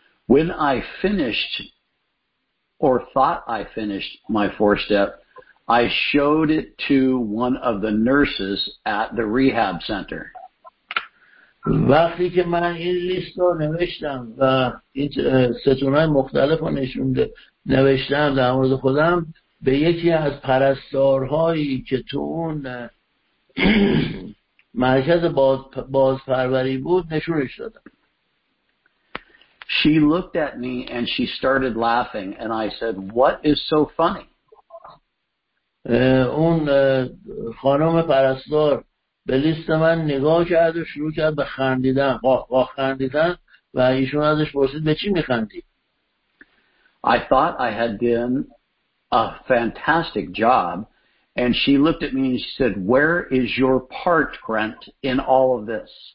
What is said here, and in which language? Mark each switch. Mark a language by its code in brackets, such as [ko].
[en] When I finished or thought I finished my four step, I showed it to one of the nurses at the rehab center. [fa] وقتی که من این لیست رو نوشتم و این ستونهای مختلف رو نوشتم در مورد خودم، به یکی از پرستارهایی که تو اون مرکز بازپروری بود نشونش دادم. [en] She looked at me and she started laughing and I said, "What is so funny?" [fa] اون خانم پرستار به لیست من نگاه کرد و شروع کرد به خندیدن، قاه خندیدن و ایشون ازش پرسید به چی میخندی؟ [en] I thought I had done a fantastic job and she looked at me and she said, "Where is your part, Brent, in all of this?"